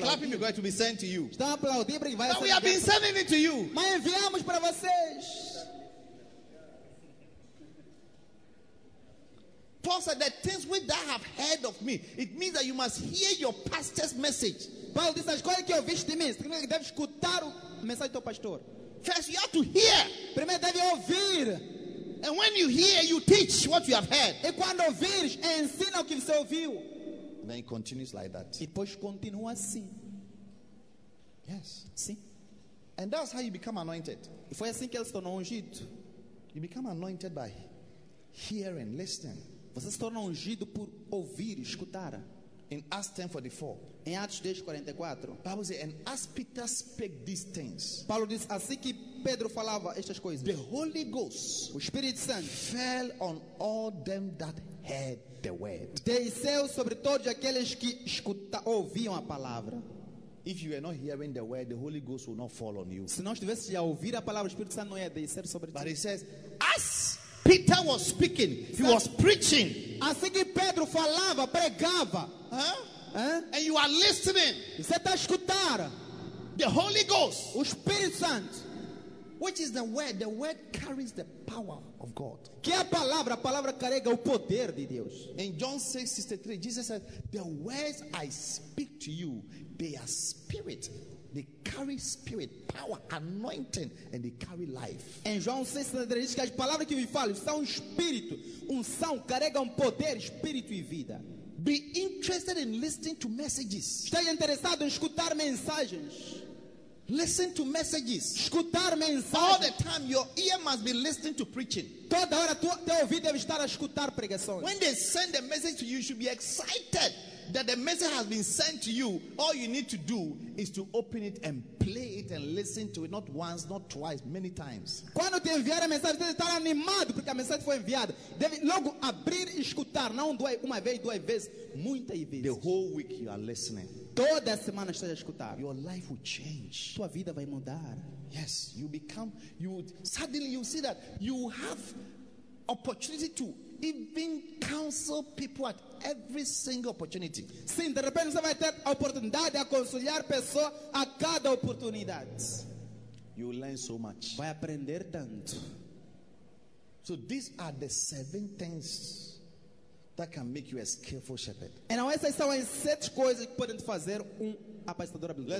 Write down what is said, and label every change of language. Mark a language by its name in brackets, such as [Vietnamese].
[English] They are clapping because it will be sent to you. [Portuguese] Estão aplaudindo porque vai ser. [English] But we have been sending it to you. [Portuguese] Mas enviamos para vocês. [English] Paul said, "The things which thou have heard of me." It means that you must hear your pastor's message. [Portuguese] Paulo diz, as coisas que ouviste de mim, significa que deve escutar o mensagem do teu pastor. [English] First, you have to hear. [Portuguese] Primeiro deve ouvir. [English] And when you hear, you teach what you have heard. [Portuguese] E quando ouvires, ensina o que você ouviu. [English] Then it continues like that. [Portuguese] E depois continua assim. [English] Yes. [Portuguese] Sim. [English] And that's how you become anointed. [Portuguese] E foi assim que ele se tornou ungido. [English] You become anointed by hearing, listening. [Portuguese] Você se torna ungido por ouvir, escutar. [English] In Acts 10:44. [Portuguese] Em Atos 10:44. Paulo diz, [English] "And as Peter spake these things." [Portuguese] Paulo diz, assim que Pedro falava estas coisas. [English] The Holy Ghost, [Portuguese] o Espírito Santo, [English] fell on all them that heard the word. [Portuguese] Desceu sobre todos aqueles que ouviam a palavra. [English] If you are not hearing the word, the Holy Ghost will not fall on you. [Portuguese] Se não estivesse a ouvir a palavra, o Espírito Santo não ia descer sobre ti. [English] But he says, "As Peter was speaking, he was preaching." [Portuguese] Assim que Pedro falava, pregava. [English] And you are listening. [Portuguese] Você está escutar. [English] The Holy Ghost, [Portuguese] o Espírito Santo, [English] which is the word. The word carries the power of God. [Portuguese] Que é a palavra? A palavra carrega o poder de Deus. [English] In John 6:63, Jesus said, "The words I speak to you, they are spirit. They carry spirit, power, anointing, and they carry life." [Portuguese] Em João 6:63, diz que as palavras que eu falo são espírito, unção, carregam poder, espírito e vida. [English] Be interested in listening to messages. [Portuguese] Esteja interessado em escutar mensagens. [English] Listen to messages. [Portuguese] Escutar mensagens. [English] All the time, your ear must be listening to preaching. [Portuguese] Toda hora, teu ouvido deve estar a escutar pregações. [English] When they send a message to you, you should be excited that the message has been sent to you. All you need to do is to open it and play it and listen to it, not once, not twice, many times. [Portuguese] Quando te enviar a mensagem, deve estar animado porque a mensagem foi enviada. Deve logo abrir e escutar, não uma vez, duas vezes, muitas vezes. [English] The whole week you are listening. [Portuguese] Toda semana esteja a escutar. [English] Your life will change. [Portuguese] Tua vida vai mudar. [English] Yes, you become, you suddenly you see that you have opportunity to even counsel people at every single opportunity. [Portuguese] Sim, de repente você vai ter a oportunidade de aconselhar pessoas a cada oportunidade. [English] You learn so much. [Portuguese] Vai aprender tanto. [English] So these are the seven things that can make you a skillful shepherd. [Portuguese] Então essas são as sete coisas que podem fazer apacentador habilidoso.